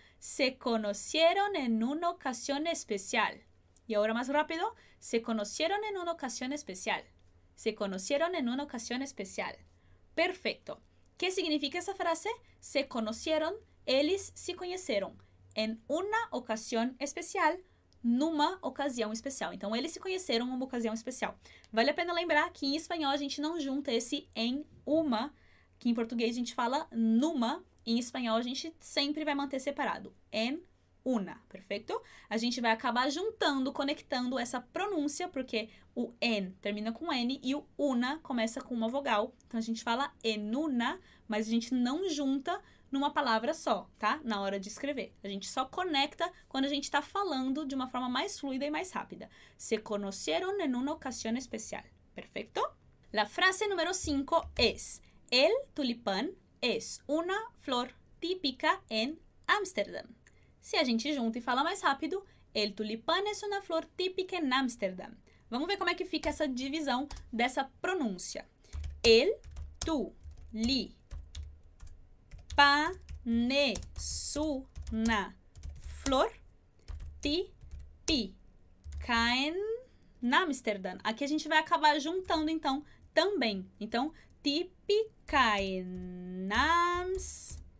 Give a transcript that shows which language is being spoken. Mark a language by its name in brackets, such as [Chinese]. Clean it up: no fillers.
[Spanish] Se conocieron en una ocasión especial. Y ahora más rápido. Se conocieron en una ocasión especial. Se conocieron en una ocasión especial. Perfecto. ¿Qué significa esa frase? Se conocieron, ellos se conocieron en una ocasión especial. [Portuguese] Numa ocasião especial. Então, eles se conheceram numa ocasião especial. Vale a pena lembrar que em espanhol a gente não junta esse em uma, que em português a gente fala numa. Em espanhol a gente sempre vai manter separado. En una, perfeito? A gente vai acabar juntando, conectando essa pronúncia, porque o en termina com N e o una começa com uma vogal. Então, a gente fala en una, mas a gente não junta numa palavra só, tá? Na hora de escrever. A gente só conecta quando a gente tá falando de uma forma mais fluida e mais rápida. [Spanish] Se conocieron en una ocasión especial. Perfecto? La frase número 5 es: el tulipán es una flor típica en Ámsterdam. [Portuguese] Se a gente junta e fala mais rápido, [Spanish] el tulipán es una flor típica en Ámsterdam. [Portuguese] Vamos ver como é que fica essa divisão dessa pronúncia. [Spanish] El tulipán es una flor típica en Ámsterdam. [Portuguese] Aqui a gente vai acabar juntando, então, também. [Spanish] Então, típica en Ámsterdam.